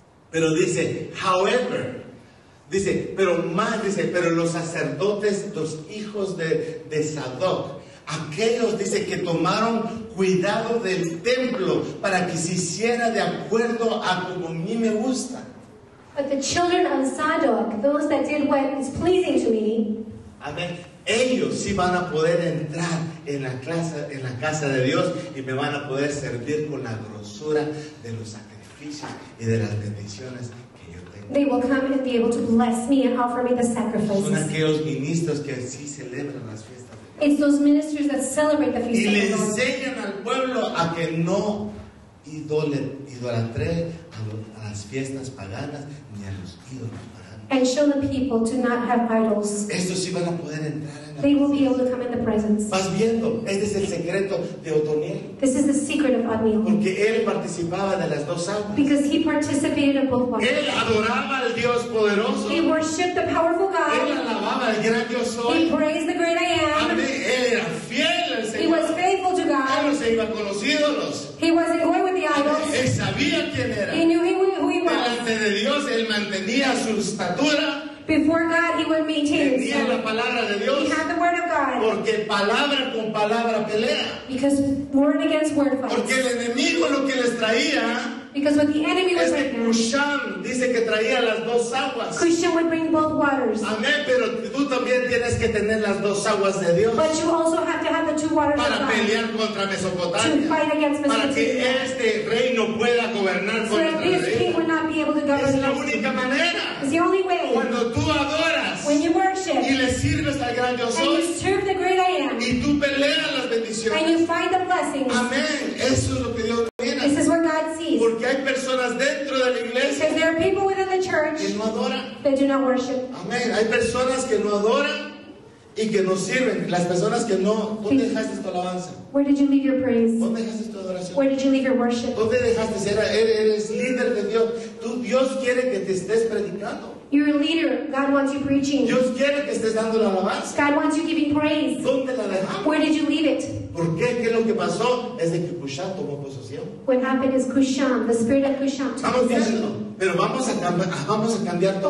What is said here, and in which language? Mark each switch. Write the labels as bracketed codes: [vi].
[es] Pero dice, [en] however, [es] dice, pero más, dice, pero los sacerdotes, los hijos de Sadoc, aquellos, dice, que tomaron cuidado del templo para que se hiciera de acuerdo a como a mí me gusta. [en] But the children of Sadoc, those that did what is pleasing to me. [es] Amén. Ellos sí van a poder entrar en la casa de Dios y me van a poder servir con la grosura de los sacrificios y de las bendiciones que yo tengo. [en] They will come and be able to bless me and offer me the sacrifices. [es] Son aquellos ministros que sí celebran las fiestas. [en] It's those ministers that celebrate the feast. [es] Y le enseñan al pueblo a que no idolatre a las fiestas paganas ni a los ídolos. [en] And show the people to not have idols. [es] Estos sí van a poder entrar en la [en] They will be able to come in the presence. [es] Vas viendo, este es el secreto de Otoniel. [en] This is the secret of Otoniel. [es] Porque él participaba de las dos almas. [en] Because he participated of both worlds. [es] Él adoraba al Dios poderoso. [en] He worshipped the powerful God. [es] Él alababa al gran Yo Soy. [en] He praised the great I am. [es] Amén. Él era fiel al Señor. [en] He was faithful to God. [es] Él no se iba con los ídolos. [en] He wasn't going with the idols. [es] Él sabía quién era. [en] He knew who he was. [es] Delante de Dios, él mantenía su estatura. [en] Before God, he would maintain. [es] Tenía la palabra de Dios. [en] He had the word of God. [es] Porque palabra con palabra pelea. [en] Because word against word fights. [es] Porque el enemigo lo que les traía. [en] Because what the enemy was [es] este Cushan dice que traía las dos aguas. [en] Cushan would bring both waters. [es] Amén, pero tú también tienes que tener las dos aguas de Dios. [en] But you also have to have the two waters of God. [es] Para pelear contra Mesopotamia. [en] To fight against Mesopotamia. [es] Para que este reino pueda gobernar [en] so [es] contra [en] this king would not be able to govern. [es] Es la única manera. [en] It's the only way. [es] Cuando tú adoras. [en] When you worship. [es] Y le sirves al gran Yo Soy. [en] And you serve the great I am. [es] Y tú peleas las bendiciones. [en] And you fight the blessings. [es] Amén, eso es lo que Dios. [en] This is what God sees. [es] Porque hay personas dentro de la iglesia. [en] Because there are people within the church. [es] Que no adoran. [en] That do not worship. [es] Amén. Hay personas que no adoran y que no sirven. Las personas que no. ¿Dónde dejaste tu alabanza? [en] Where did you leave your praise? [es] ¿Dónde dejaste tu adoración? [en] Where did you leave your worship? [es] ¿Dónde dejaste ser? Eres líder de Dios. Tú, Dios quiere que te estés predicando. [en] You're a leader. God wants you preaching. [es] Dios quiere que estés dando la alabanza. [en] God wants you giving praise. [es] ¿Dónde la dejamos? [en] Where did you leave it? [es] ¿Por qué? ¿Qué es lo que pasó? Es de que Cushan tomó posesión. [en] What happened is Cushan, the spirit of Cushan. [es] Estamos viendo, pero vamos a cambiar todo.